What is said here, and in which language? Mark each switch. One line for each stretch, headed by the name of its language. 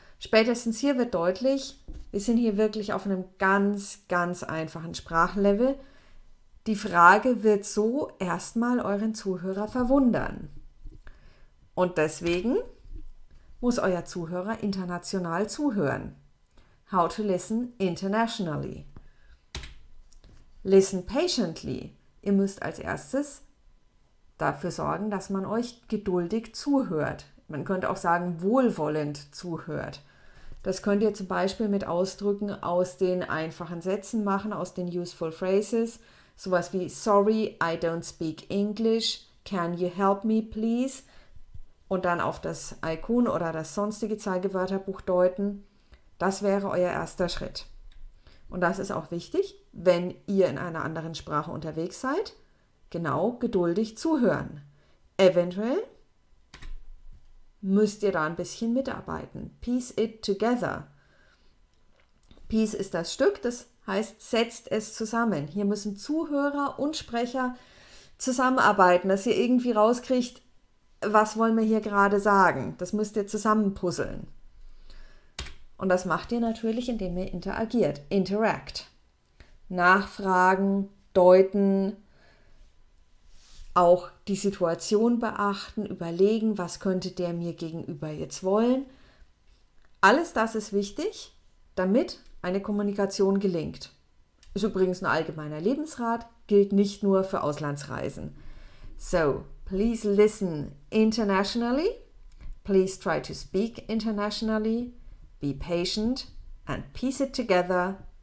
German: Spätestens hier wird deutlich, wir sind hier wirklich auf einem ganz, ganz einfachen Sprachlevel. Die Frage wird so erstmal euren Zuhörer verwundern. Und deswegen muss euer Zuhörer international zuhören.
English: How to listen internationally. Listen patiently.
German: Ihr müsst als erstes dafür sorgen, dass man euch geduldig zuhört. Man könnte auch sagen, wohlwollend zuhört. Das könnt ihr zum Beispiel mit Ausdrücken aus den einfachen Sätzen machen, aus den Useful Phrases. Sowas wie,
English: sorry, I don't speak English, can you help me please?
German: Und dann auf das Icon oder das sonstige Zeigewörterbuch deuten. Das wäre euer erster Schritt. Und das ist auch wichtig, wenn ihr in einer anderen Sprache unterwegs seid, genau geduldig zuhören. Eventuell müsst ihr da ein bisschen mitarbeiten.
English: Piece it together.
German: Piece ist das Stück, das heißt, setzt es zusammen. Hier müssen Zuhörer und Sprecher zusammenarbeiten, dass ihr irgendwie rauskriegt, was wollen wir hier gerade sagen. Das müsst ihr zusammenpuzzeln. Und das macht ihr natürlich, indem ihr interagiert. Interact. Nachfragen, deuten, auch die Situation beachten, überlegen, was könnte der mir gegenüber jetzt wollen. Alles das ist wichtig, damit eine Kommunikation gelingt. Ist übrigens ein allgemeiner Lebensrat, gilt nicht nur für Auslandsreisen.
English: So, please listen internationally. Please try to speak internationally. Be patient and piece it together.